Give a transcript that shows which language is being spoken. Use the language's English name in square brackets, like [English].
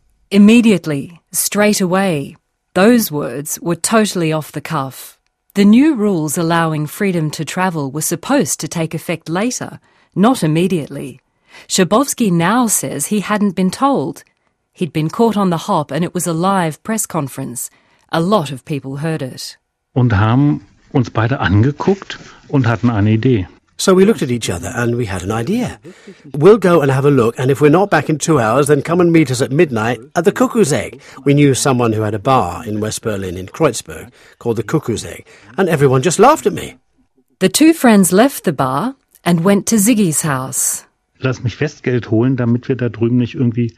[English] Immediately, straight away. Those words were totally off the cuff. The new rules allowing freedom to travel were supposed to take effect later, not immediately. Schabowski now says he hadn't been told. He'd been caught on the hop and it was a live press conference. A lot of people heard it. [German] Und haben uns beide angeguckt und hatten eine Idee. [English] So we looked at each other and we had an idea. We'll go and have a look, and if we're not back in 2 hours, then come and meet us at midnight at the Cuckoo's Egg. We knew someone who had a bar in West Berlin in Kreuzberg called the Cuckoo's Egg, and everyone just laughed at me. The two friends left the bar and went to Ziggy's house. [German] Lass mich Festgeld holen, damit wir da drüben nicht irgendwie.